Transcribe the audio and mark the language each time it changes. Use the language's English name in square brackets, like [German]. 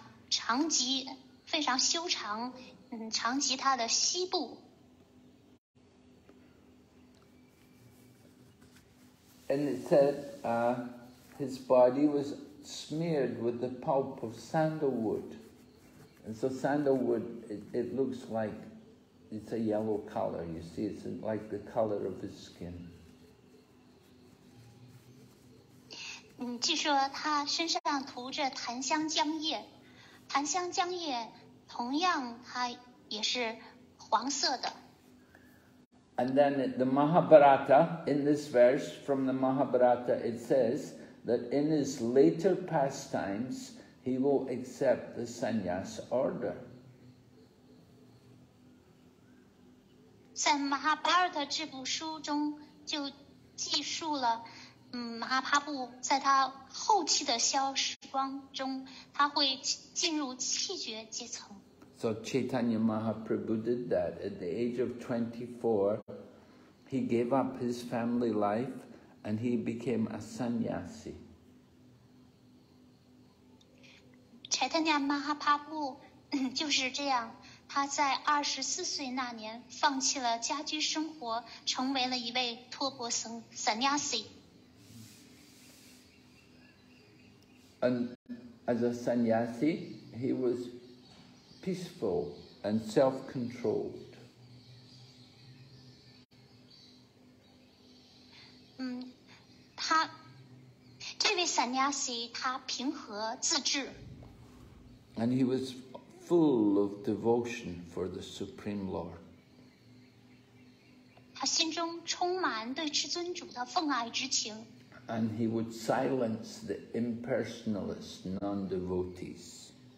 [Chinese] 长极非常修长，长及他的膝部。 [English] And it said, his body was smeared with the pulp of sandalwood. And so sandalwood, it looks like it's a yellow color. You see, it's like the color of his skin. [Chinese] 据说他身上涂着檀香浆液。檀香浆液同样它也是黄色的。 [English] And then the Mahabharata, in this verse from the Mahabharata, it says that in his later pastimes, he will accept the sannyas order. [Chinese] 在 Mahabharata 这部书中就记述了马哈帕布在他后期的消失光中他会进入气绝阶层。 [English] So Chaitanya Mahaprabhu did that at the age of 24. He gave up his family life and he became a sannyasi. [Chinese] Chaitanya Mahaprabhu 就是这样，他在二十四岁那年放弃了家居生活，成为了一位托钵僧 sannyasi. [English] And as a sannyasi, he was peaceful and self-controlled. [Chinese] 他这位 sannyasi 他平和自制。 [English] And he was full of devotion for the Supreme Lord. [Chinese] 他心中充满对至尊主的奉爱之情。 [English] And he would silence the impersonalist non-devotees.